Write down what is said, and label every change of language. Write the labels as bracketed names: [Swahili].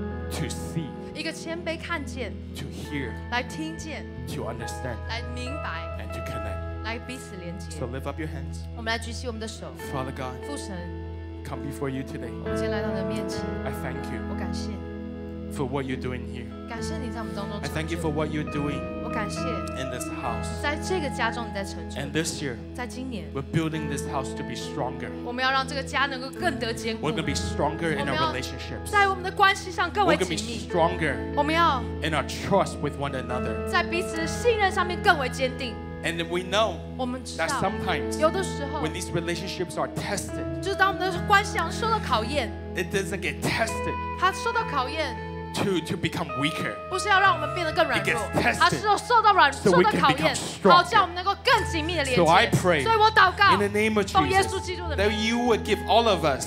[English] To see. [Chinese] 一个谦卑看见。 [English] To hear. [Chinese] 来听见。 [English] To understand. [Chinese] 来明白。 [English] And to connect. So lift up your hands. [Chinese] 我们来举起我们的手 [English] Father God, [Chinese] 父神 [English] come before you today. [Chinese] 我们今天来到你的面前 [English] I thank you. [Chinese] 我感谢 [English] for what you're doing here. [Chinese] 感谢你在我们当中 [English] I thank you for what you're doing. [Chinese] 我感谢 [English] in this house. [Chinese] 在这个家中你在成就 [English] And this year, [Chinese] 在今年 [English] we're building this house to be stronger. [Chinese] 我们要让这个家能够更得坚固 [English] We're going to be stronger in our relationships. [Chinese] 在我们的关系上更为紧密 [English] We're going to be stronger. [Chinese] 我们要 [English] in our trust with one another. [Chinese] 在彼此的信任上面更为坚定 [English] And we know that sometimes when these relationships are tested, [Chinese] 就是当我们的关系受到考验 [English] it doesn't get tested. [Chinese] 它受到考验 [English] to become weaker. [Chinese] 不是要让我们变得更软弱 [English] It gets tested. [Chinese] 它受到软受到考验，好叫我们能够更紧密的连接。 [English] So I pray, [Chinese] 所以我祷告 [English] in the name of Jesus, that you would give all of us,